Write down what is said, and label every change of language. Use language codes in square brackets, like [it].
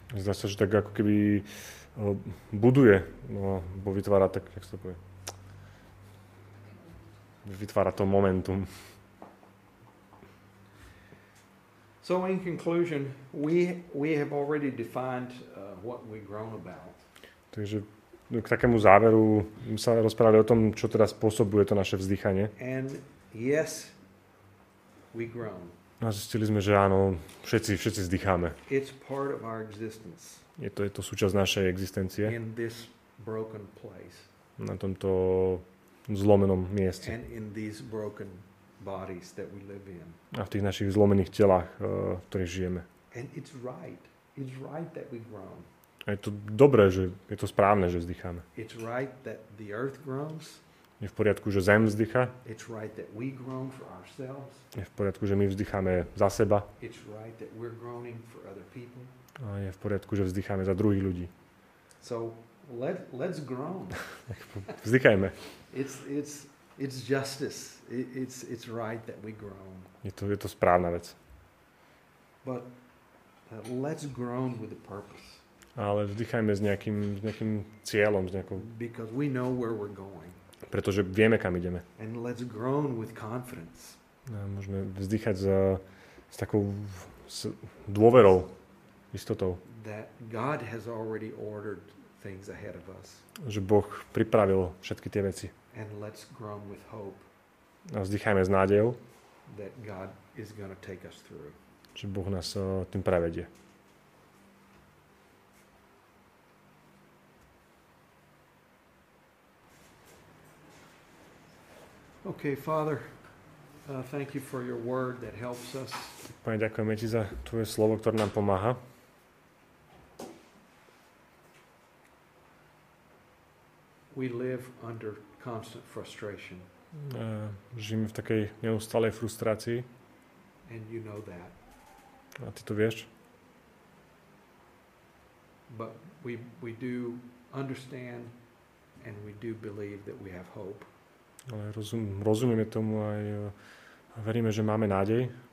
[sk] Zdá sa, že tak ako keby buduje, no, bo vytvára tak, jak sa to povie. Vytvára to momentum. [en] So in conclusion, we have already defined what we grown about. [sk] Takže k takému záveru sa rozprávali o tom, čo teda spôsobuje to naše vzdychanie. [en] And yes, we grown. [sk] A zistili sme, že áno, všetci vzdycháme. [en] It's part of our existence. [sk] Je to súčasť našej existencie. [en] In this broken place. [sk] Na tomto zlomenom mieste. [en] And in these broken bodies that we live in. [sk] A v tých našich zlomených telách, v ktorých žijeme. [en] And it's right. It's right that we groan. [sk] A je to dobré, že je to správne, že vzdycháme. [en] It's right that the earth groans. [sk] Je v poriadku, že zem vzdychá. [en] It's right that we groan for ourselves. [sk] Je v poriadku, že my vzdycháme za seba. [en] It's right that we're groaning for other people. [sk] A je v poriadku, že vzdycháme za druhých ľudí. [en] So let's groan. [sk] Vzdychajme. [en] It's justice. It's right that we groan. [sk] Je to správna vec. [en] But let's groan with a purpose. [sk] Ale vzdychajme s nejakým cieľom, s nejakou. [en] Because we know where we're going. [sk] Pretože vieme, kam ideme. [en] And let's groan with confidence. [sk] A môžeme vzdychať s takou dôverou, istotou. [en] That God has already ordered things ahead of us. [sk] Že Boh pripravil všetky tie veci. [en] And let's groan with hope. [sk] A vzdychajme s nádejou. [en] That God is going to take us through. [sk] Že Boh nás tým prevedie. [en] Okay, Father. Thank you for your word that helps us. [sk] Pane, ďakujeme ti za tvoje slovo, ktoré nám pomáha. [en] We live under constant frustration. [sk] Žijeme v takej neustálej frustrácii. [en] And you know that. [sk] A ty to vieš? [en] But we do understand and we do believe that we have hope. [sk] Ale rozumieme tomu aj a veríme, že máme nádej.